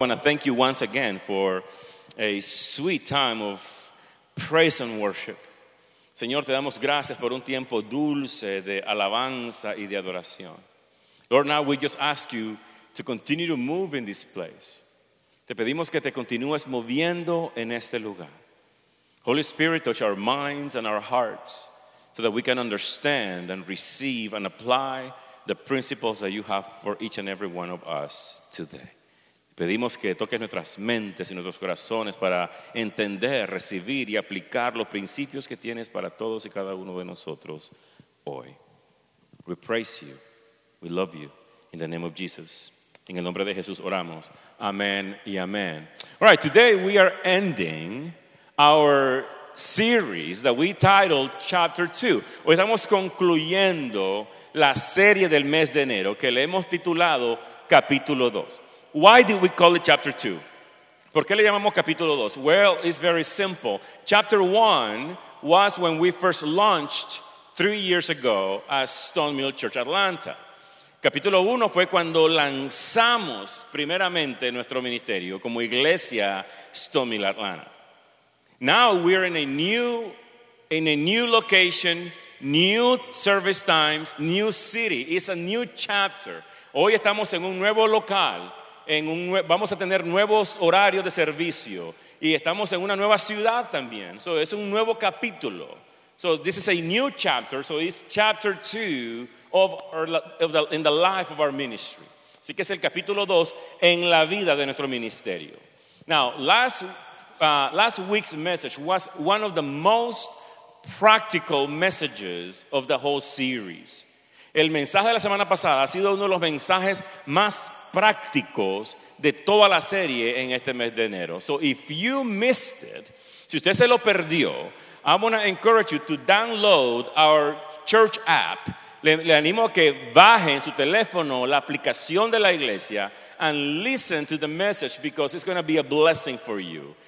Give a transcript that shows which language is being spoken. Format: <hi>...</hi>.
<en>I want to thank you once again for a sweet time of praise and worship.</en> <es>Señor, te damos gracias por un tiempo dulce de alabanza y de adoración.</es> <en>Lord, now we just ask you to continue to move in this place.</en> <es>Te pedimos que te continúes moviendo en este lugar.</es> <en>Holy Spirit, touch our minds and our hearts so that we can understand and receive and apply the principles that you have for each and every one of us today.</en> <es>Pedimos que toques nuestras mentes y nuestros corazones para entender, recibir y aplicar los principios que tienes para todos y cada uno de nosotros hoy.</es> <en>We praise you. We love you. In the name of Jesus.</en> <es>En el nombre de Jesús oramos. Amén y amén.</es> <en>All right, today we are ending our series that we titled Chapter 2.</en> <es>Hoy estamos concluyendo la serie del mes de enero que le hemos titulado Capítulo 2.</es> <en>Why did we call it chapter 2?</en> <es>¿Por qué le llamamos capítulo 2?</es> <en>Well, it's very simple. Chapter 1 was when we first launched 3 years ago as Stone Mill Church Atlanta.</en> <es>Capítulo 1 fue cuando lanzamos primeramente nuestro ministerio como iglesia Stone Mill Atlanta.</es> <en>Now we're in a new location, new service times, new city. It's a new chapter.</en> <es>Hoy estamos en un nuevo local. Vamos a tener nuevos horarios de servicio y estamos en una nueva ciudad también.</es> <en>So</en> <es>es un nuevo capítulo.</es> <en>So this is a new chapter. So it's chapter 2 in the life of our ministry.</en> <es>Así que es el capítulo 2 en la vida de nuestro ministerio.</es> <en>Now, last week's message was one of the most practical messages of the whole series.</en> <es>El mensaje de la semana pasada ha sido uno de los mensajes más prácticos de toda la serie en este mes de enero.</es> <en>So if you missed it,</en> <es>si usted se lo perdió,</es> <en>I want to encourage you to download our church app.</en> <es>Le animo a que baje en su teléfono la aplicación de la iglesia</es> <en>and listen to the message because it's going to be a blessing for you.</en>